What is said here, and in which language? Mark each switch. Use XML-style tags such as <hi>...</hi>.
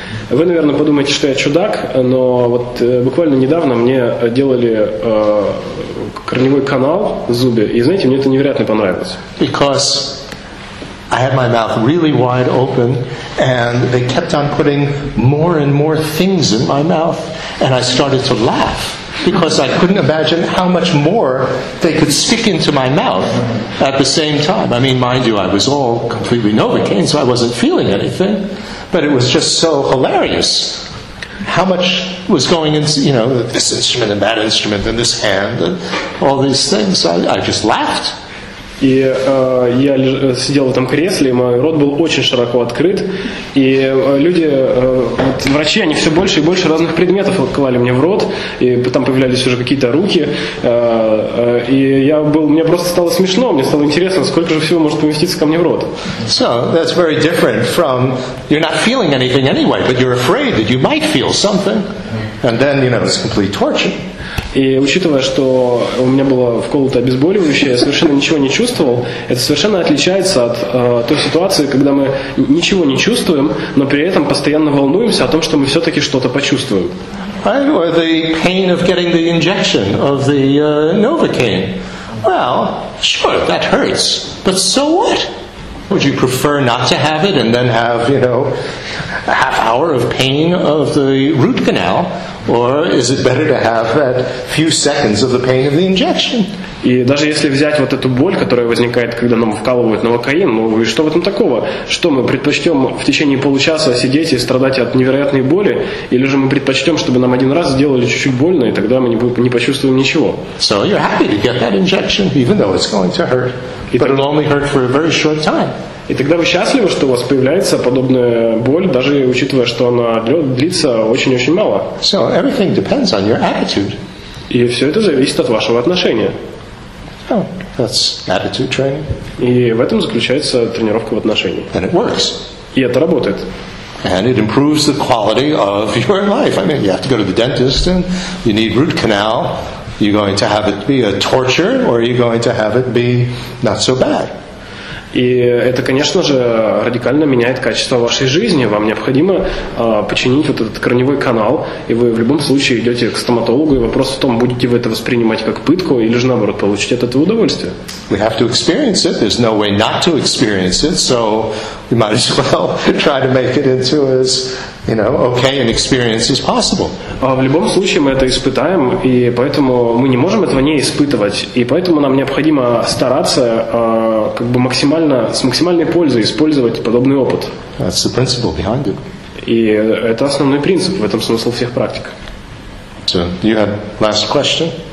<ru>Вы, наверное, подумаете, что я чудак, но вот буквально недавно мне делали корневой канал в зубе, и знаете, мне это невероятно понравилось.</ru> <en>Because I had my mouth really wide open, and they kept on putting more and more things in my mouth, and I started to laugh. Because I couldn't imagine how much more they could stick into my mouth at the same time. I mean, mind you, I was all completely Novocaine, so I wasn't feeling anything. But it was just so hilarious. How much was going into, you know, this instrument and that instrument and this hand and all these things. I just laughed.</en> <ru>И я сидел в этом кресле, и мой рот был очень широко открыт, и люди, вот врачи, они все больше и больше разных предметов клали мне в рот, и там появлялись уже какие-то руки, и мне просто стало смешно, мне стало интересно, сколько же всего может поместиться ко мне в рот.</ru> <en>So that's very different from you're not feeling anything anyway, but you're afraid that you might feel something, and then you know it's complete torture.</en> <ru>И учитывая, что у меня было вколото обезболивающее, я совершенно ничего не чувствовал, это совершенно отличается от той ситуации, когда мы ничего не чувствуем, но при этом постоянно волнуемся о том, что мы все-таки что-то почувствуем.</ru> <en>right? Or the pain of getting the injection of the Novocaine. Well, sure, that hurts, but so what? Would you prefer not to have it and then have, you know, a half hour of pain of the root canal? Or is it better to have that few seconds of the pain of the injection?</en> <ru>И даже если взять вот эту боль, которая возникает, когда нам вкалывают новокаин, ну и что в этом такого? Что мы предпочтем в течение получаса сидеть и страдать от невероятной боли, или же мы предпочтем, чтобы нам один раз сделали чуть-чуть больно, и тогда мы не почувствуем ничего?</ru> <en>So you're happy to get that injection, even though it's going to hurt. But it'll only hurt for a very short time.</en> <ru>И тогда вы счастливы, что у вас появляется подобная боль, даже учитывая, что она длится очень-очень мало.</ru> <en>So everything depends on your attitude.</en> <ru>И все это зависит от вашего отношения.</ru> <en>Oh, that's attitude training.</en> <ru>И в этом заключается тренировка в отношении.</ru> <en>And it works.</en> <ru>И это работает.</ru> <en>And it improves the quality of your life. I mean, you have to go to the dentist and you need root canal. Are you going to have it be a torture or are you going to have it be not so bad?</en> <ru>И это, конечно же, радикально меняет качество вашей жизни. Вам необходимо починить вот этот корневой канал, и вы в любом случае идете к стоматологу, и вопрос в том, будете вы это воспринимать как пытку, или же наоборот, получите от этого удовольствие.</ru> <en>We have to experience it. There's no way not to experience it. So we might as well try to make it into as, you know, okay an experience as possible.</en> <ru>В любом случае мы это испытаем, и поэтому мы не можем этого не испытывать, и поэтому нам необходимо стараться как бы максимально, с максимальной пользой использовать подобный опыт.</ru> <en>That's the principle behind it.</en> <ru>И это основной принцип, в этом смысл всех практик.</ru> <en>So, you had last question?</en>